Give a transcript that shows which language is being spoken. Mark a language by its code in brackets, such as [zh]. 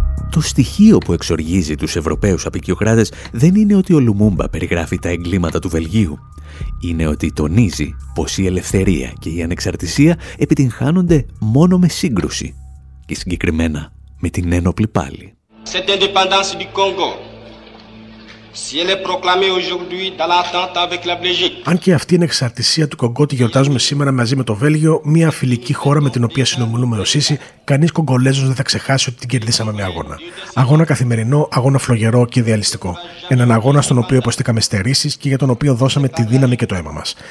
[el] Το στοιχείο που εξοργίζει τους Ευρωπαίους απεικιοκράτες δεν είναι ότι ο Λουμούμπα περιγράφει τα εγκλήματα του Βελγίου. Είναι ότι τονίζει πως η ελευθερία και η ανεξαρτησία επιτυγχάνονται μόνο με σύγκρουση. Και συγκεκριμένα με την ένοπλη πάλη. [fr] Cette indépendance du Congo. Si elle est proclamée aujourd'hui dans l'attente avec la Belgique. [el] Αν και αυτή η ανεξαρτησία του Κονγκό τη γιορτάζουμε σήμερα μαζί με το Βέλγιο, μια φιλική χώρα με την οποία συνομιλούμε ο Σίση, κανείς Κογκολέζος δεν θα ξεχάσει ότι την κερδίσαμε με αγώνα. Αγώνα καθημερινό, αγώνα φλογερό και ιδεαλιστικό. Έναν αγώνα στον οποίο υποστήκαμε στερήσεις και για τον οποίο δώσαμε τη δύναμη και το αίμα μας.